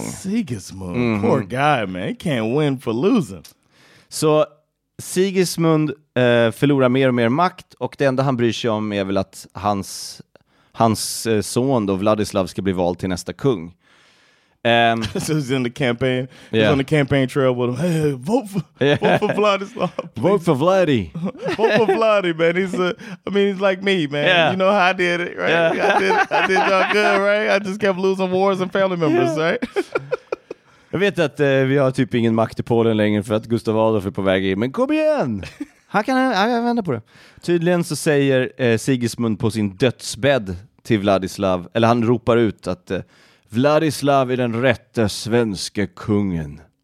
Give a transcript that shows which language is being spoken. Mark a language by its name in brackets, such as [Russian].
[English] Sigismund, mm-hmm. Poor guy, man. He can't win for losing. [Swedish] Så Sigismund förlorar mer och mer makt, och det enda han bryr sig om är väl att hans son då, Vladislav, ska bli vald till nästa kung. [English] So he's in the campaign. Yeah. He's on the campaign trail with him. Hey, vote for Vladislav. Please. Vote for Vladdy. Vote for Vladdy, man. He's like me, man. Yeah. You know how I did it, right? Yeah. I did y'all good, right? I just kept losing wars and family members, right? [Swedish] Jag vet att vi har typ ingen makt i Polen längre för att Gustav Adolf är på väg in. Men kom igen! Här kan jag vända på det. Tydligen så säger Sigismund på sin dödsbädd till Vladislav, eller han ropar ut att Vladislav är den rätta svenska kungen.